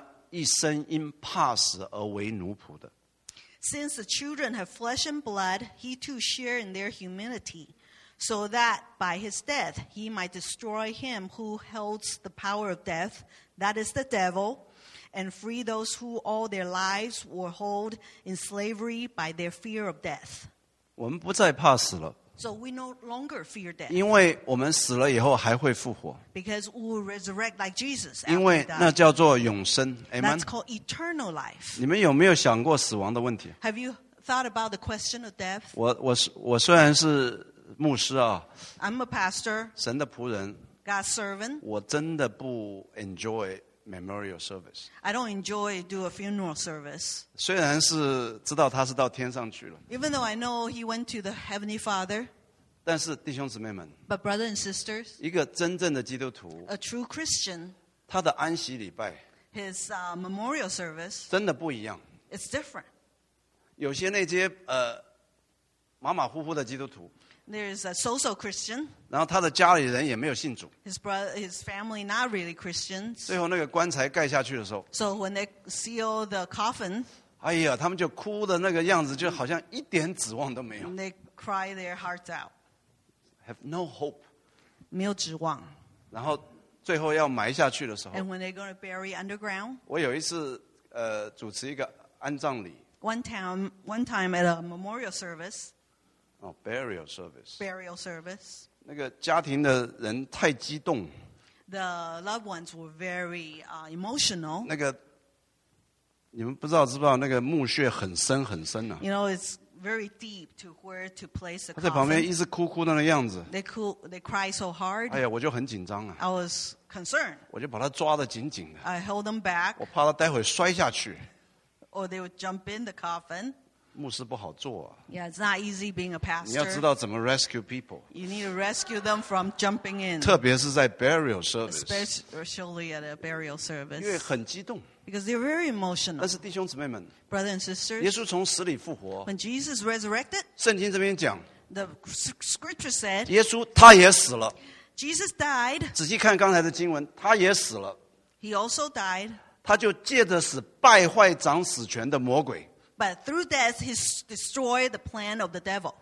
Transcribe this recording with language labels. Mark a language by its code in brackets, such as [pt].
[zh] 他要借着死败坏那掌死权的，就是魔鬼，并要释放那一生因怕死而为奴仆的。 [en] Since the children have flesh and blood, he too shared in their humanity, so that by his death he might destroy him who holds the power of death, that is the devil, and free those who all their lives were held in slavery by their fear of death. [zh] 我们不再怕死了。 [en] So we no longer fear death. [zh] 因为我们死了以后还会复活。 [en] Because we will resurrect like Jesus. [zh] 因为那叫做永生。 [en] Amen? That's called eternal life. [zh] 你们有没有想过死亡的问题? [en] Have you thought about the question of death? [zh] 我虽然是牧师啊。 [en] I'm a pastor. [zh] 神的仆人。 [en] God's servant. [zh] 我真的不 [en] enjoy memorial service. I don't enjoy do a funeral service. [zh] 虽然是知道他是到天上去了, [en] even though I know he went to the Heavenly Father. [zh] 但是弟兄姊妹们, [en] but brothers and sisters, [zh] 一个真正的基督徒, [en] a true Christian, [zh] 他的安息礼拜, [en] his memorial service. [zh] 真的不一样。 [en] It's different. [zh] 有些那些, 马马虎虎的基督徒, [en] There's a so-so Christian. [zh] 然后他的家里人也没有信主, [en] his family not really Christians. [zh] 最后那个棺材盖下去的时候, [en] so when they seal the coffin, [zh] 哎呀, 他们就哭的那个样子, 就好像一点指望都没有, [en] they cry their hearts out. Have no hope. [zh] 没有指望。然后, 最后要埋下去的时候, [en] and when they're going to bury underground, [zh] 我有一次, 主持一个安葬礼, [en] one time at a memorial service, oh, burial service. Burial service. [zh] 那个家庭的人太激动, [en] the loved ones were very emotional. [zh] 那个, 你们不知道, 那个墓穴很深很深, [en] you know, it's very deep to where to place the coffin. [zh] 他在旁边一直哭哭的那样子, [en] they cry so hard. [zh] 哎呀, 我就很紧张啊, [en] I was concerned. [zh] 我就把他抓得紧紧的, [en] I held them back. [zh] 我怕他待会摔下去, [en] or they would jump in the coffin. [zh] 牧师不好做啊, [en] yeah, it's not easy being a pastor. [zh] 你要知道怎么 [en] rescue people. You need to rescue them from jumping in. [zh] 特别是在 [en] burial service. Especially at a burial service. [zh] 因为很激动, [en] because they're very emotional. [zh] 但是弟兄姊妹们, [en] brothers and sisters, [zh] 耶稣从死里复活, [en] when Jesus resurrected, [zh] 圣经这边讲, [en] the scripture said, [zh] 耶稣他也死了, [en] Jesus died. [zh] 仔细看刚才的经文, 他也死了, [en] he also died. [zh] 他就借着死败坏掌死权的魔鬼, [en] but through death, he destroyed the plan of the devil.